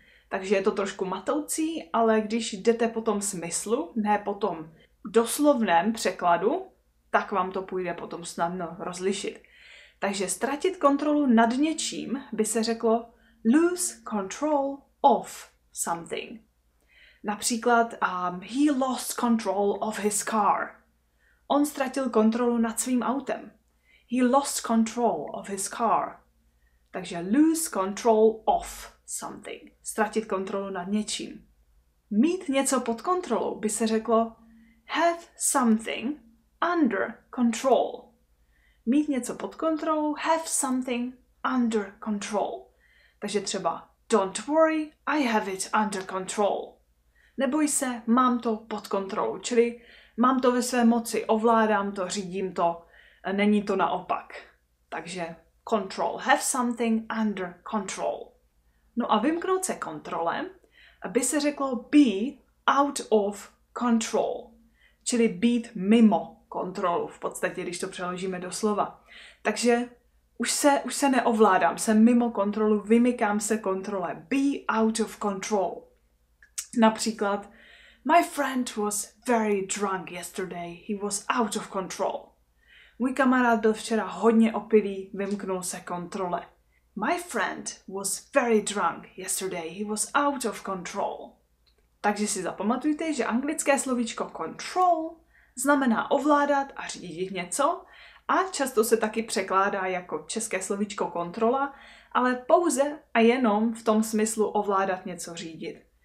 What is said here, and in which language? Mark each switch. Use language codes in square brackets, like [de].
[cs] Takže je to trošku matoucí, ale když jdete po tom smyslu, ne po tom doslovném překladu, tak vám to půjde potom snadno rozlišit. Takže ztratit kontrolu nad něčím by se řeklo [en] lose control of something. [cs] Například [en] he lost control of his car. [cs] On ztratil kontrolu nad svým autem. [en] He lost control of his car. [cs] Takže [en] lose control of something. [cs] Ztratit kontrolu nad něčím. Mít něco pod kontrolou by se řeklo [en] have something under control. [cs] Mít něco pod kontrolou, [en] have something under control. [cs] Takže třeba [en] don't worry, I have it under control. [cs] Neboj se, mám to pod kontrolou, čili mám to ve své moci, ovládám to, řídím to, není to naopak. Takže [en] control, have something under control. [cs] No a vymknout se kontrole, by se řeklo [en] be out of control. [cs] Čili být mimo kontrolu, v podstatě, když to přeložíme do slova. Takže Už se neovládám, jsem mimo kontrolu, vymykám se kontrole. [en] Be out of control. [cs] Například, [en] my friend was very drunk yesterday, he was out of control. [cs] Můj kamarád byl včera hodně opilý, vymknul se kontrole. [en] My friend was very drunk yesterday, he was out of control. [cs] Takže si zapamatujte, že anglické slovíčko control znamená ovládat a řídit něco a často se taky překládá jako české slovíčko kontrola, ale pouze a jenom v tom smyslu ovládat něco, řídit.